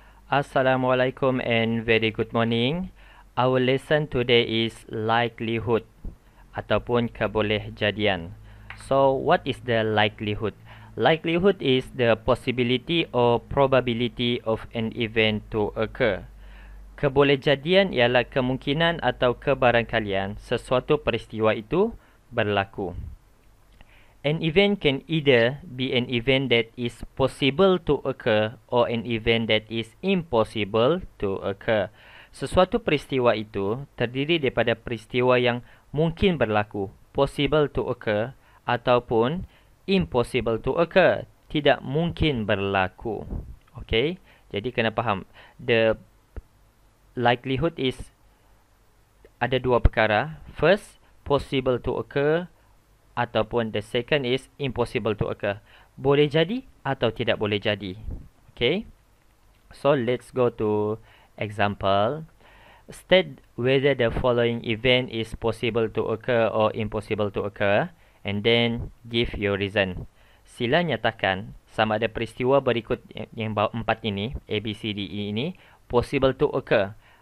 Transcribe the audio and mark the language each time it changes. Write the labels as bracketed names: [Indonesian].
[English] Assalamualaikum and very good morning. Our lesson today is likelihood [Malay] ataupun kebolehjadian. [English] So, what is the likelihood? Likelihood is the possibility or probability of an event to occur. [Malay] Kebolehjadian ialah kemungkinan atau kebarangkalian sesuatu peristiwa itu berlaku. [English] An event can either be an event that is possible to occur or an event that is impossible to occur. [Malay] Sesuatu peristiwa itu terdiri daripada peristiwa yang mungkin berlaku, [English] possible to occur [Malay] ataupun [English] impossible to occur, [Malay] tidak mungkin berlaku. Okay, jadi kena faham. [English] The likelihood is [Malay] ada dua perkara. [English] First, possible to occur. Ataupun the second is impossible to occur. [Malay] Boleh jadi atau tidak boleh jadi. [English] Okay. So, let's go to example. State whether the following event is possible to occur or impossible to occur. And then, give your reason. [Malay] Sila nyatakan sama ada peristiwa berikut yang bawah empat ini, A, B, C, D, E ini, [English] possible to occur.